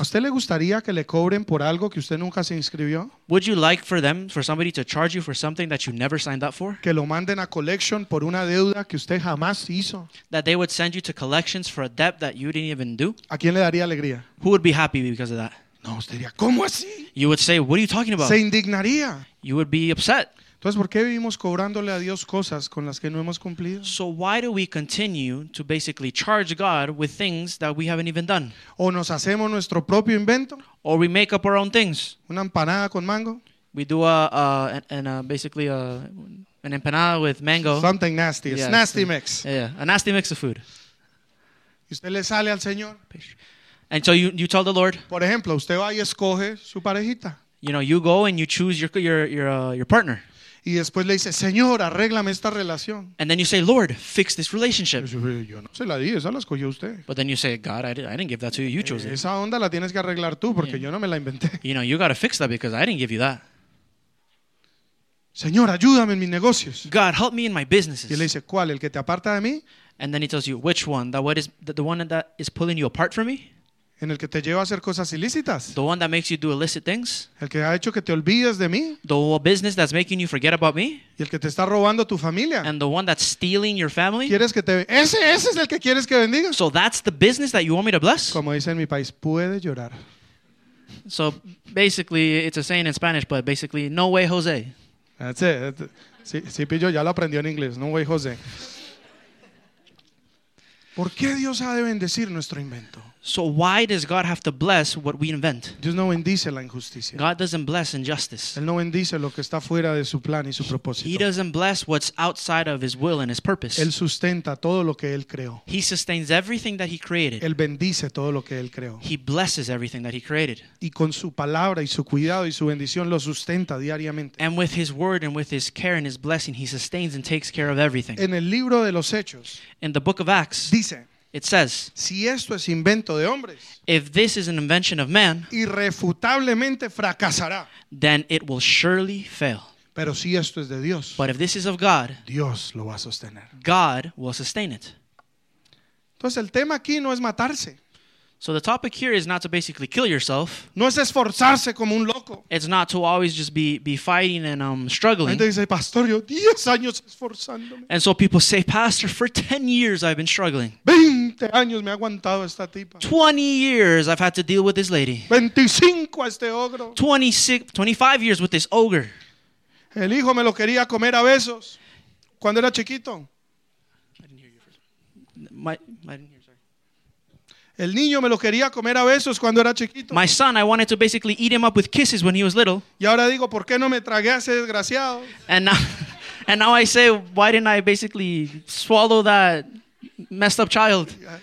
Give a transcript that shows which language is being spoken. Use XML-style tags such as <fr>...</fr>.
<es>¿A usted le gustaría que le cobren por algo que usted nunca se inscribió?</es> <en>Would you like for them, for somebody to charge you for something that you never signed up for?</en> <es>Que lo manden a collection por una deuda que usted jamás hizo.</es> <en>That they would send you to collections for a debt that you didn't even do?</en> <es>¿A quién le daría alegría?</es> <en>Who would be happy because of that?</en> <es>No, usted diría, ¿cómo así?</es> <en>You would say, what are you talking about?</en> <es>Se indignaría.</es> <en>You would be upset.</en> <es>Entonces, ¿por qué vivimos cobrándole a Dios cosas con las que no hemos cumplido?</es> <en>So why do we continue to basically charge God with things that we haven't even done?</en> <es>¿O nos hacemos nuestro propio invento?</es> <en>Or we make up our own things.</en> <es>¿Una empanada con mango?</es> <en>We do an empanada with mango. Something nasty. It's yeah, nasty mix. Yeah, a nasty mix of food.</en> <es>¿Y usted le sale al Señor?</es> <en>And so you tell the Lord.</en> <es>Por ejemplo, usted va y escoge su parejita.</es> <en>You know, you go and you choose your partner.</en> <es>Y después le dice, Señor, arréglame esta relación.</es> <en>And then you say, Lord, fix this relationship.</en> <es>Yo no se la di, esa la escogió usted.</es> <en>But then you say, God, I didn't give that to you. You chose it.</en> <es>Esa onda la tienes que arreglar tú porque yo no me la inventé.</es> <en>You know, you got to fix that because I didn't give you that.</en> <es>Señor, ayúdame en mis negocios.</es> <en>God, help me in my businesses.</en> <es>Y le dice, ¿cuál? ¿El que te aparta de mí?</es> <en>And then he tells you, which one? The one that is pulling you apart from me?</en> <es>En el que te lleva a hacer cosas ilícitas.</es> <en>The one that makes you do illicit things.</en> <es>El que ha hecho que te olvides de mí.</es> <en>The business that's making you forget about me.</en> <es>Y el que te está robando tu familia.</es> <en>And the one that's stealing your family.</en> <es>¿Quieres que te... Ese es el que quieres que bendiga.</es> <en>So that's the business that you want me to bless.</en> <es>Como dice en mi país, puede llorar.</es> <en>So basically, it's a saying in Spanish, but basically, no way, Jose. That's it.</en> <es>Sí, pillo, ya lo aprendió en inglés.</es> <en>No way, Jose.</en> <es>¿Por qué Dios ha de bendecir nuestro invento?</es> <en>So why does God have to bless what we invent?</en> <es>Dios no bendice la injusticia.</es> <en>God doesn't bless injustice.</en> <es>Él no bendice lo que está fuera de su plan y su propósito.</es> <en>He doesn't bless what's outside of his will and his purpose.</en> <es>Él sustenta todo lo que él creó.</es> <en>He sustains everything that he created.</en> <es>Él bendice todo lo que él creó.</es> <en>He blesses everything that he created.</en> <es>Y con su palabra y su cuidado y su bendición lo sustenta diariamente.</es> <en>And with his word and with his care and his blessing, he sustains and takes care of everything.</en> <es>En el libro de los Hechos,</es> <en>in the book of Acts,</en> <es>dice,</es> <en>it says,</en> <es>si esto es invento de hombres,</es> <en>if this is an invention of man,</en> <es>irrefutablemente fracasará,</es> <en>then it will surely fail.</en> <es>Pero si esto es de Dios,</es> <en>but if this is of God,</en> <es>Dios lo va a sostener.</es> <en>God will sustain it.</en> <es>Entonces, el tema aquí no es matarse.</es> <en>So the topic here is not to basically kill yourself.</en> <es>No es esforzarse como un loco.</es> <en>It's not to always just be fighting and struggling.</en> <es>Entonces dice, pastor, yo 10 años esforzándome.</es> <en>And so people say, pastor, for 10 years I've been struggling.</en> <es>20 años me ha aguantado esta tipa.</es> <en>20 years I've had to deal with this lady.</en> <es>25 a este ogro.</es> <en>25 years with this ogre.</en> <es>El hijo me lo quería comer a besos cuando era chiquito.</es> <en>I didn't hear you first.</en> <es>El niño me lo quería comer a besos cuando era chiquito.</es> <en>My son, I wanted to basically eat him up with kisses when he was little.</en> <es>Y ahora digo, ¿por qué no me tragué a ese desgraciado?</es> <en>And now I say, why didn't I basically swallow that messed up child?</en>